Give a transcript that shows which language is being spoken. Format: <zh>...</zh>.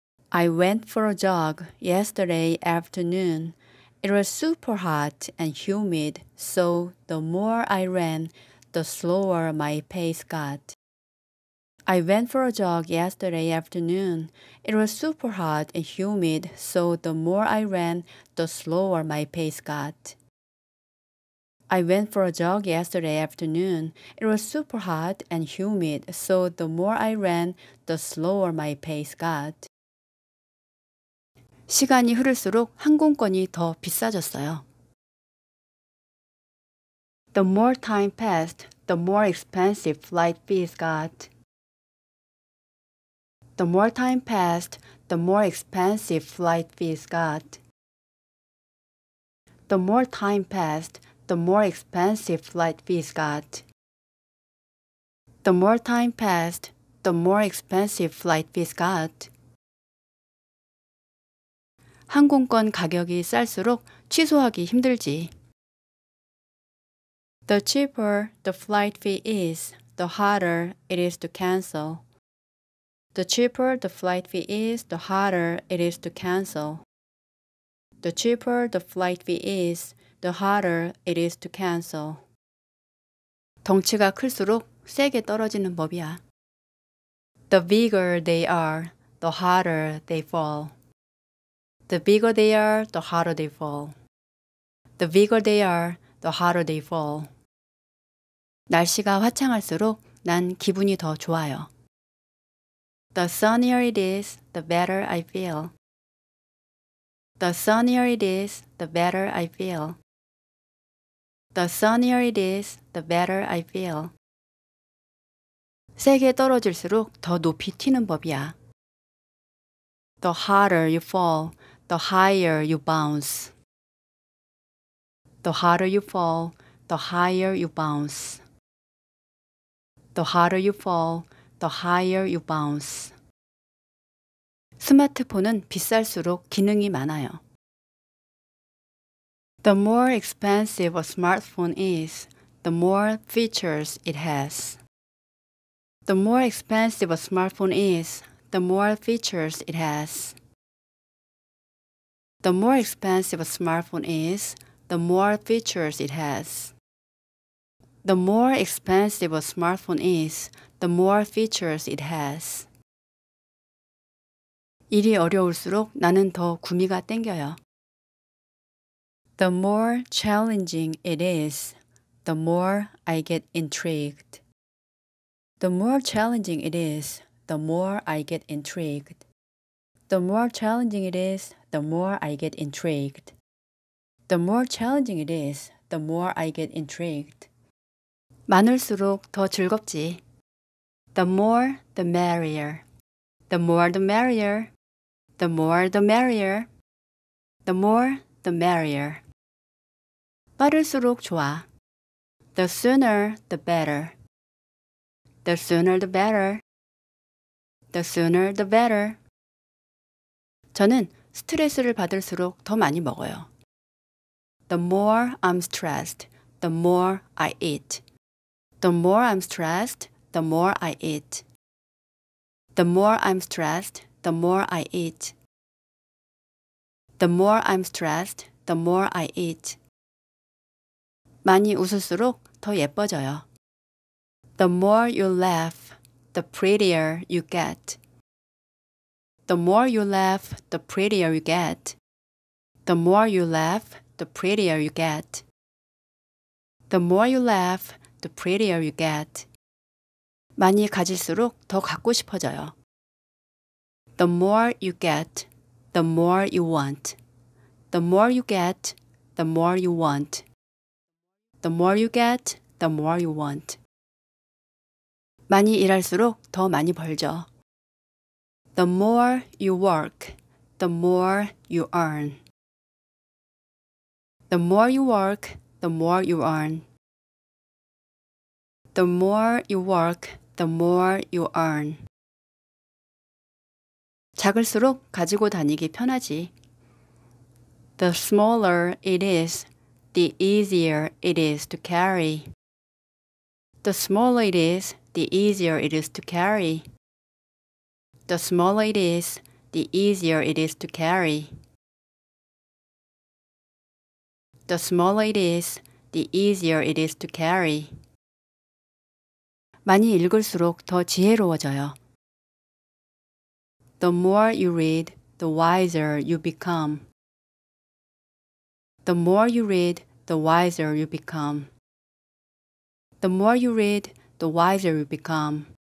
<en>I went for a jog yesterday afternoon. It was super hot and humid, so the more I ran, the slower my pace got. I went for a jog yesterday afternoon. It was super hot and humid, so the more I ran, the slower my pace got. I went for a jog yesterday afternoon. It was super hot and humid, so the more I ran, the slower my pace got.</en> <ko>시간이 흐를수록 항공권이 더 비싸졌어요.</ko> <en>The more time passed, the more expensive flight fees got. The more time passed, the more expensive flight fees got. The more time passed, the more expensive flight fees got. The more time passed, the more expensive flight fees got.</en> <ko>항공권 가격이 쌀수록 취소하기 힘들지.</ko> <en>The cheaper the flight fee is, the harder it is to cancel. The cheaper the flight fee is, the harder it is to cancel. The cheaper the flight fee is, the harder it is to cancel.</en> <ko>덩치가 클수록 세게 떨어지는 법이야.</ko> <en>The bigger they are, the harder they fall. The bigger they are, the harder they fall. The bigger they are, the harder they fall.</en> <ko>날씨가 화창할수록 난 기분이 더 좋아요.</ko> <en>The sunnier it is, the better I feel. The sunnier it is, the better I feel. The sunnier it is, the better I feel.</en> <ko>세게 떨어질수록 더 높이 튀는 법이야.</ko> <en>The harder you fall, the higher you bounce. The harder you fall, the higher you bounce. The harder you fall, the higher you bounce.</en> <ko>스마트폰은 비쌀수록 기능이 많아요.</ko> <en>The more expensive a smartphone is, the more features it has. The more expensive a smartphone is, the more features it has. The more expensive a smartphone is, the more features it has. The more expensive a smartphone is, the more features it has.</en> <ko>일이 어려울수록 나는 더 구미가 땡겨요.</ko> <en>The more challenging it is, the more I get intrigued. The more challenging it is, the more I get intrigued. The more challenging it is, the more I get intrigued. The more challenging it is, the more I get intrigued.</en> <ko>많을수록 더 즐겁지.</ko> <en>The more, the merrier. The more, the merrier. The more, the merrier. The more, the merrier.</en> <ko>빠를수록 좋아.</ko> <en>The sooner, the better. The sooner, the better. The sooner, the better.</en> <ko>저는 스트레스를 받을수록 더 많이 먹어요.</ko> <en>The more I'm stressed, the more I eat. The more I'm stressed, the more I eat. The more I'm stressed, the more I eat. The more I'm stressed, the more I eat.</en> <ko>많이 웃을수록 더 예뻐져요.</ko> <en>The more you laugh, the prettier you get. The more you laugh, the prettier you get. The more you laugh, the prettier you get. The more you laugh, the prettier you get.</en> <ko>많이 가질수록 더 갖고 싶어져요.</ko> <en>The more you get, the more you want. The more you get, the more you want. The more you get, the more you want.</en> <ko>많이 일할수록 더 많이 벌죠.</ko> <en>The more you work, the more you earn. The more you work, the more you earn. The more you work, the more you earn.</en> <ko>작을수록 가지고 다니기 편하지.</ko> <en>The smaller it is, the easier it is to carry. The smaller it is, the easier it is to carry. The smaller it is, the easier it is to carry. The smaller it is, the easier it is to carry.</en> <ko>많이 읽을수록 더 지혜로워져요.</ko> <en>The more you read, the wiser you become. The more you read, the wiser you become. The more you read, the wiser you become.</en>